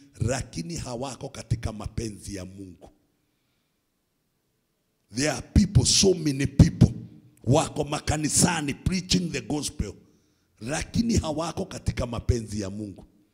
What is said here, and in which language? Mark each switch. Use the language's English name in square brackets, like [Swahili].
[Swahili] Lakini hawako katika mapenzi ya Mungu. [English] There are people, so many people, [Swahili] wako makanisani [English] preaching the gospel. [Swahili] Lakini hawako katika mapenzi ya Mungu.